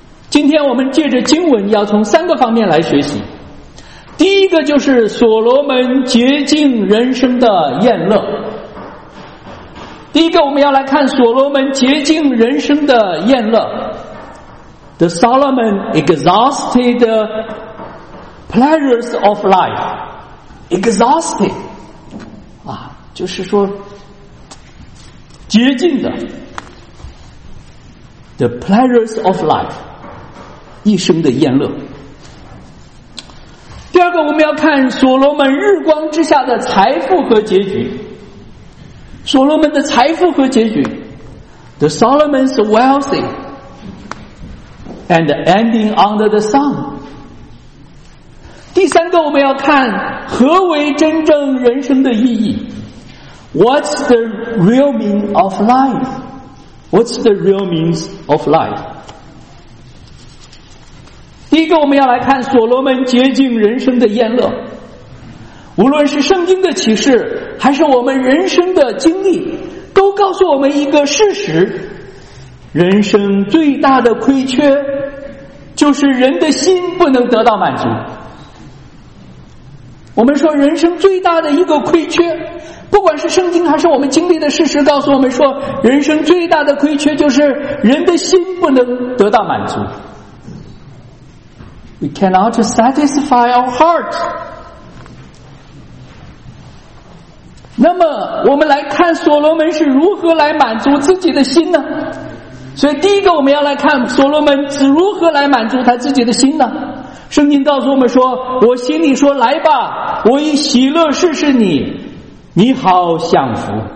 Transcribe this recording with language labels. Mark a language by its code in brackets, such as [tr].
[zh] 今天我们借着经文要从三个方面来学习。第一个就是所罗门竭尽人生的宴乐。第一个我们要来看所罗门竭尽人生的宴乐。 [en] The Solomon exhausted the pleasures of life. [zh] Exhausted. 啊，就是说竭尽的。 [en] The pleasures of life. [zh] 一生的宴乐。第二个我们要看所罗门日光之下的财富和结局。所罗门的财富和结局。 [en] The Solomon's wealthy. And ending under the sun. [zh] 第三个我们要看何为真正人生的意义。 [en] What's the real meaning of life? What's the real means of life? [zh] 第一个我们要来看所罗门竭尽人生的宴乐。无论是圣经的启示，还是我们人生的经历，都告诉我们一个事实：人生最大的亏缺就是人的心不能得到满足。我们说人生最大的一个亏缺，不管是圣经还是我们经历的事实告诉我们说，人生最大的亏缺就是人的心不能得到满足。 [en] We cannot satisfy our heart. [zh] 那么我们来看所罗门是如何来满足自己的心呢？所以第一个我们要来看所罗门是如何来满足他自己的心呢？圣经告诉我们说，我心里说，来吧，我以喜乐试试你，你好享福。